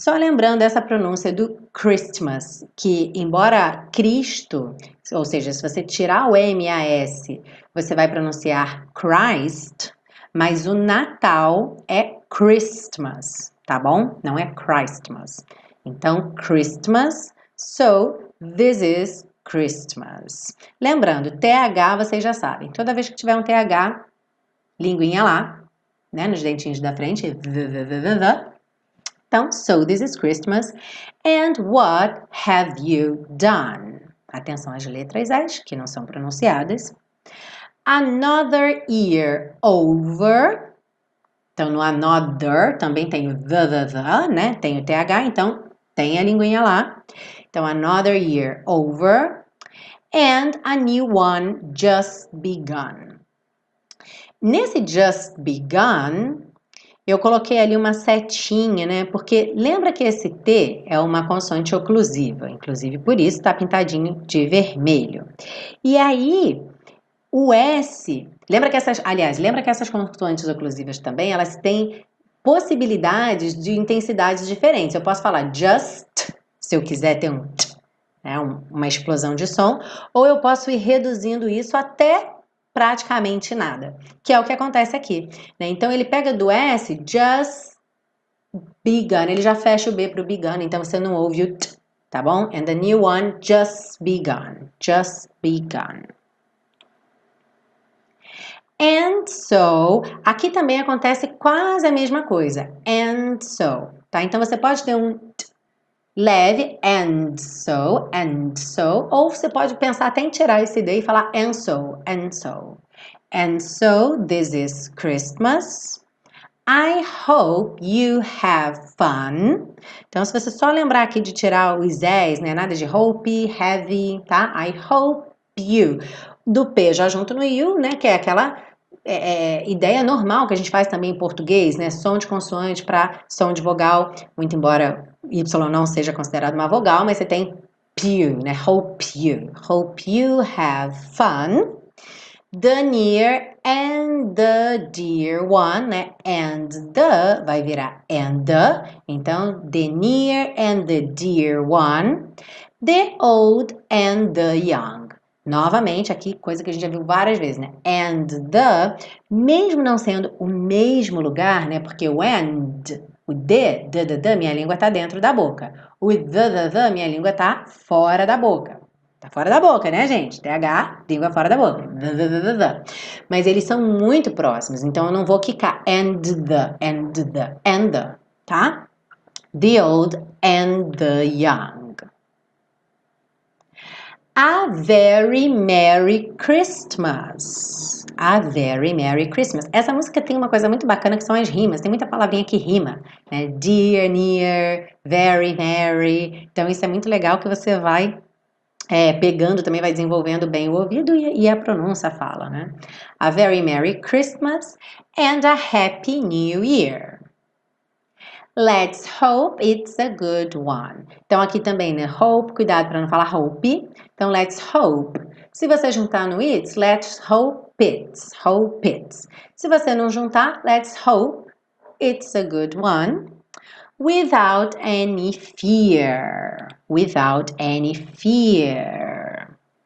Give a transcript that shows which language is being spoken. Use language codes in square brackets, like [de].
[pt] Só lembrando essa pronúncia do Christmas, que embora Cristo, ou seja, se você tirar o M e a S, você vai pronunciar Christ, mas o Natal é Christmas, tá bom? Não é Christmas. Então, Christmas, [en] so this is Christmas. [pt] Lembrando, TH vocês já sabem, toda vez que tiver um TH, linguinha lá, né, nos dentinhos da frente, v-v-v-v-v-v. [en] Então, so this is Christmas, and what have you done? [pt] Atenção às letras S, que não são pronunciadas. [en] Another year over. [pt] Então, no another, também tem o the, né? Tem o TH, então tem a linguinha lá. Então, [en] another year over. And a new one just begun. [pt] Nesse just begun, eu coloquei ali uma setinha, né? Porque lembra que esse T é uma consoante oclusiva, inclusive por isso está pintadinho de vermelho. E aí, O S, lembra que essas, aliás, lembra que essas consoantes oclusivas também, elas têm possibilidades de intensidades diferentes. Eu posso falar just, se eu quiser ter um, né, uma explosão de som, ou eu posso ir reduzindo isso até praticamente nada, que é o que acontece aqui, né? Então ele pega do S, [en] just begun, [pt] ele já fecha o B para o begun, então você não ouve o t, tá bom? [en] And the new one, just begun, just begun. [pt] And so, aqui também acontece quase a mesma coisa. And so, tá? Então você pode ter um t leve, and so, ou você pode pensar até em tirar esse D e falar and so, and so. [en] And so, this is Christmas. I hope you have fun. [pt] Então, se você só lembrar aqui de tirar os S, né? Nada de hope, heavy, tá? I hope you. Do P já junto no you, né? Que é aquela. É ideia normal que a gente faz também em português, né? Som de consoante para som de vogal, muito embora Y não seja considerado uma vogal, mas você tem pew, né? [en] Hope you have fun. The near and the dear one, né? And the [pt] vai virar [en] and the. Então, the near and the dear one. The old and the young. [pt] Novamente, aqui coisa que a gente já viu várias vezes, né? And the, mesmo não sendo o mesmo lugar, né? Porque o and, o de, minha língua tá dentro da boca. O the, minha língua tá fora da boca. Tá fora da boca, né, gente? TH, língua fora da boca. The. Mas eles são muito próximos, então eu não vou quicar and the, tá? [en] The old and the young. A very Merry Christmas. A very Merry Christmas. [pt] Essa música tem uma coisa muito bacana que são as rimas. Tem muita palavrinha que rima, né? [en] Dear, near, very Merry. [pt] Então isso é muito legal que você vai pegando, também vai desenvolvendo bem o ouvido e a pronúncia fala, né? [en] A very Merry Christmas and a Happy New Year. Let's hope it's a good one. [pt] Então aqui também, né? Hope, cuidado para não falar hope. Então, let's hope. Se você juntar no [en] it's, let's hope it's. Hope it's. [pt] Se você não juntar, [en] let's hope it's a good one. Without any fear. Without any fear.